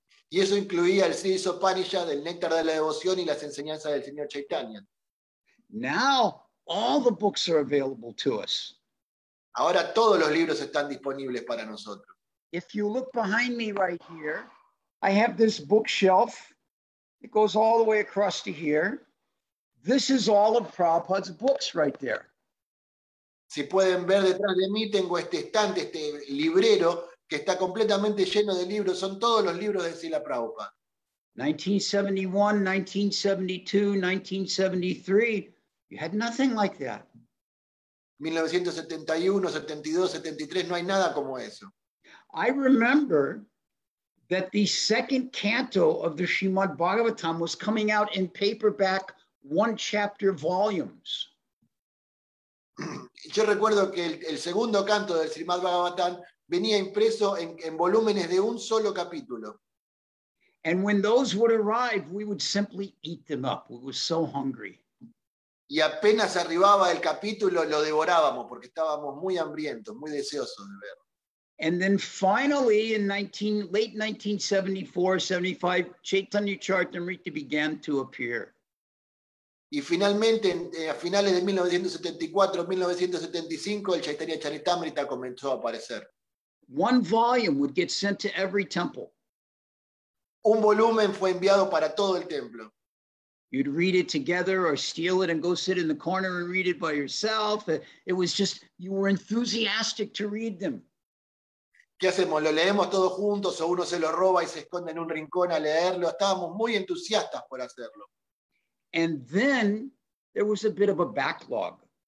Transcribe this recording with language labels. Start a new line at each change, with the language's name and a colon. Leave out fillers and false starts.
Spanish: Y eso incluía el Sri Upanishad, el Néctar de la Devoción y las enseñanzas del señor Chaitanya.
English: Now, all the books are available to us.
Spanish: Ahora todos los libros están disponibles para nosotros.
English: If you look behind me right here, I have this bookshelf. It goes all the way across to here. This is all of Prabhupada's books right there.
Spanish: Si pueden ver detrás de mí, tengo este estante, este librero, que está completamente lleno de libros, son todos los libros de Srila Prabhupada.
English: 1971, 1972, 1973, you had nothing like that.
Spanish: 1971, 72, 73, no hay nada como eso.
English: I remember that the second canto of the Srimad Bhagavatam was coming out in paperback one chapter volumes.
Spanish: Yo recuerdo que el segundo canto del Srimad Bhagavatam venía impreso en volúmenes de un solo capítulo.
English: And when those would arrive, we would simply eat them up. We were so hungry.
Spanish: Y apenas arribaba el capítulo, lo devorábamos porque estábamos muy hambrientos, muy deseosos de verlo.
English: And then finally, in late 1974, 75, Chaitanya Charitamrita began to appear.
Spanish: Y finalmente, a finales de 1974, 1975, el Chaitanya Charitamrita comenzó a aparecer.
English: One volume would get sent to every temple.
Spanish: Un volumen fue enviado para todo el templo.
English: You'd read it together or steal it and go sit in the corner and read it by yourself. It was just, you were enthusiastic to read them.
Spanish: ¿Qué hacemos? ¿Lo leemos todos juntos o uno se lo roba y se esconde en un rincón a leerlo? Estábamos muy entusiastas por hacerlo.
English: And then there was a bit of a backlog.